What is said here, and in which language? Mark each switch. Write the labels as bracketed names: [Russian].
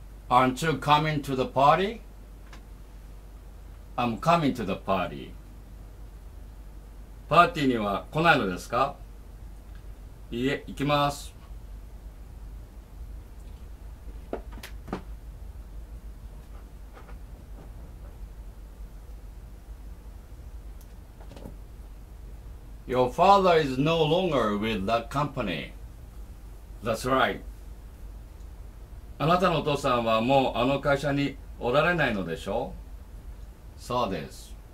[English] Aren't you coming to the party? I'm coming to the party. [Japanese] パーティーには来ないのですか？いいえ、行きます。 [English] Your father is no longer with that company. That's right. [Japanese] あなたのお父さんはもうあの会社におられないのでしょう？そうです。